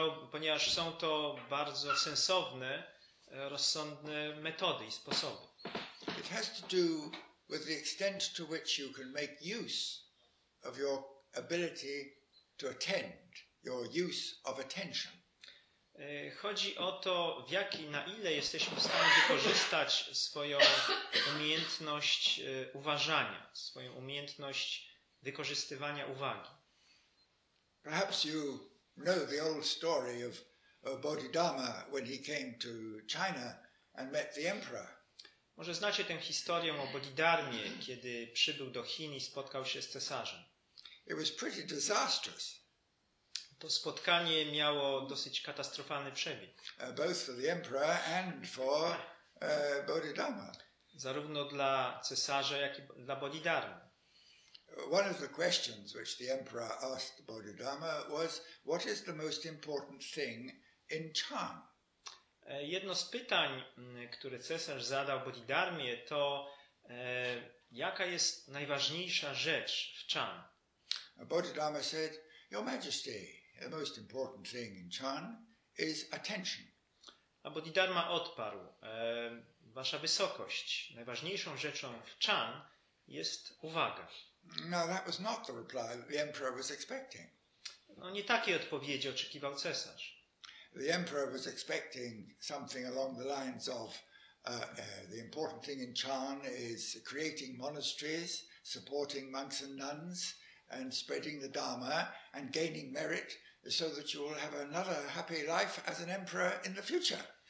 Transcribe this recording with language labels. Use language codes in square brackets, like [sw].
[pl] Ponieważ są to bardzo sensowne, rozsądne metody i sposoby. [en] It has to do with the extent to which you can make use of your ability to attend, your use of attention. [pl] Chodzi o to, w jaki, na ile jesteśmy w stanie wykorzystać swoją umiejętność uważania, swoją umiejętność wykorzystywania uwagi. [en] Perhaps you know the old story of Bodhidharma when he came to China and met the emperor. [pl] Może znacie tę historię o Bodhidharmie, kiedy przybył do Chin i spotkał się z cesarzem. [en] It was pretty disastrous. [pl] To spotkanie miało dosyć katastrofalny przebieg. [en] Both for the emperor and for Bodhidharma. [pl] Zarówno dla cesarza, jak i dla Bodhidharmy. [en] One of the questions which the emperor asked Bodhidharma was, what is the most important thing in Chan? [pl] Jedno z pytań, które cesarz zadał Bodhidharmie, to jaka jest najważniejsza rzecz w Chan? [en] Bodhidharma said, Your Majesty, the most important thing in Chan is attention. [pl] A Bodhidharma odparł, Wasza Wysokość, najważniejszą rzeczą w Chan jest uwaga. [en] No, that was not the reply that the emperor was expecting. [pl] No, nie takiej odpowiedzi oczekiwał cesarz. [en] The emperor was expecting something along the lines of the important thing in Chan is creating monasteries, supporting monks and nuns, and spreading the Dharma and gaining merit so that you will have another happy life as an emperor in the future.